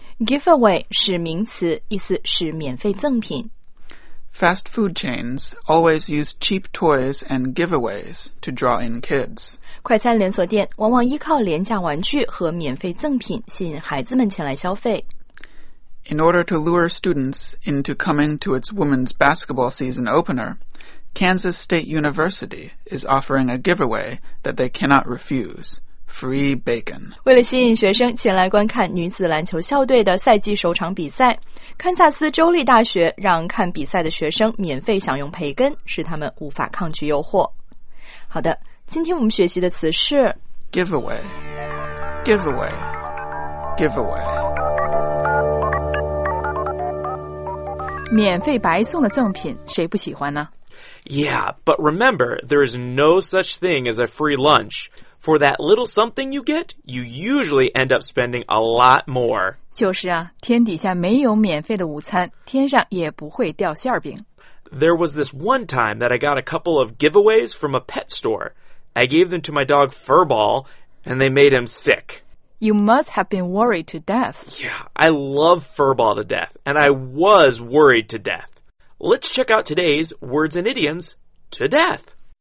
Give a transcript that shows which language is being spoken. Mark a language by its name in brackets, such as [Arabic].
[Chinese] Giveaway 是名词，意思是免费赠品。 [English] Fast food chains always use cheap toys and giveaways to draw in kids. [Chinese] 快餐连锁店往往依靠廉价玩具和免费赠品吸引孩子们前来消费。 [English] In order to lure students into coming to its women's basketball season opener, Kansas State University is offering a giveaway that they cannot refuse, free bacon. [Chinese] 为了吸引学生前来观看女子篮球校队的赛季首场比赛，堪萨斯州立大学让看比赛的学生免费享用培根，使他们无法抗拒诱惑。好的，今天我们学习的词是 [English] giveaway, giveaway, giveaway. [Chinese] 免费白送的赠品谁不喜欢呢 [English] Yeah, but remember, there is no such thing as a free lunch. For that little something you get, you usually end up spending a lot more. [Chinese] 就是啊，天底下没有免费的午餐，天上也不会掉馅饼。 [English] There was this one time that I got a couple of giveaways from a pet store. I gave them to my dog Furball, and they made him sick. You must have been worried to death. Yeah, I love Furball to death, and I was worried to death. Let's check out today's words and idioms to death.